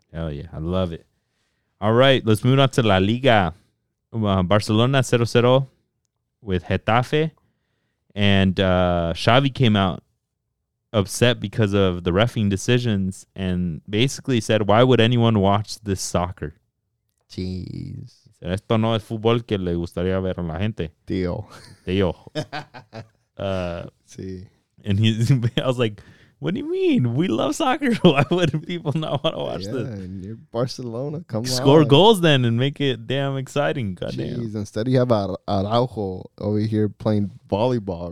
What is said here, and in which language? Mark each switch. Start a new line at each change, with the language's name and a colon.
English: Hell yeah. I love it. All right. Let's move on to La Liga. Barcelona 0-0 with Getafe. And Xavi came out upset because of the reffing decisions and basically said, why would anyone watch this soccer? Jeez.
Spanish: Esto no es fútbol que le gustaría ver a la gente. Tío. Tío. Sí.
English: And he's, I was like, what do you mean? We love soccer. Why would people not want to watch this? Yeah, you're Barcelona. Come on. Score goals then and make it damn exciting. Goddamn. Jeez, instead you have Araujo over here playing volleyball.